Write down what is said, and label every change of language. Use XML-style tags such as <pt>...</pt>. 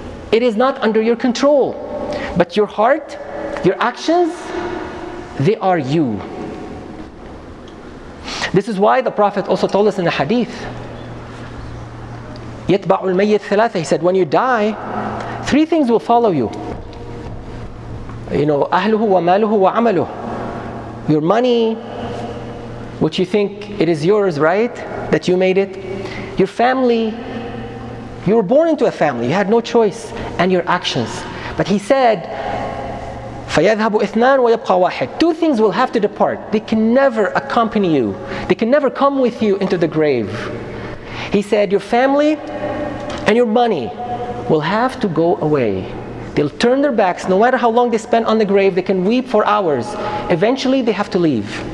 <en>It is not under your control. But your heart, your actions, they are you. This is why the Prophet also told us in the hadith,</en> <ar>يَتْبَعُ الْمَيِّتْ ثَلَاثَ.</ar> <en>He said, when you die, three things will follow you. You know,</en> <ar>أَهْلُهُ وَمَالُهُ وَعَمَلُهُ.</ar> <en>Your money, which you think it is yours, right? That you made it. Your family, you were born into a family, you had no choice. And your actions. But he said,</en> <ar>فَيَذْهَبُ اثنان وَيَبْقَى واحد.</ar> <en>Two things will have to depart. They can never accompany you. They can never come with you into the grave. He said, your family and your money will have to go away. They'll turn their backs. No matter how long they spend on the grave, they can weep for hours. Eventually, they have to leave.</en>